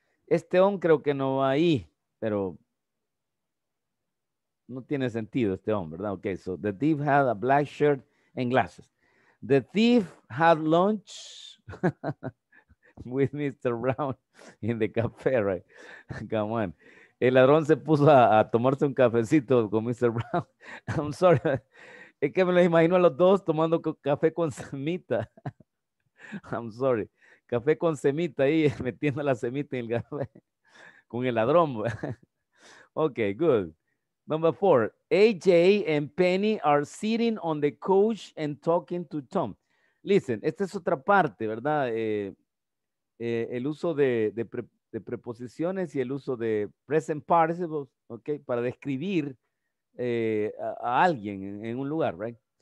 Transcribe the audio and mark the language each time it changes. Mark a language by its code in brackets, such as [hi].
[es] Este hombre creo que no va ahí, pero no tiene sentido este hombre, ¿verdad? [en] Okay, so the thief had a black shirt and glasses. The thief had lunch with Mr. Brown in the cafe, right? Come on. [es] El ladrón se puso a tomarse un cafecito con Mr. Brown. [en] I'm sorry. [es] Es que me lo imagino a los dos tomando café con Samita. [en] I'm sorry. [es] Café con semita ahí, metiendo la semita en el café con el ladrón. Okay, good. [en] Number four, AJ and Penny are sitting on the couch and talking to Tom. [es] Listen, esta es otra parte, ¿verdad? El uso de preposiciones y el uso de present participles, okay, para describir a alguien en un lugar, right?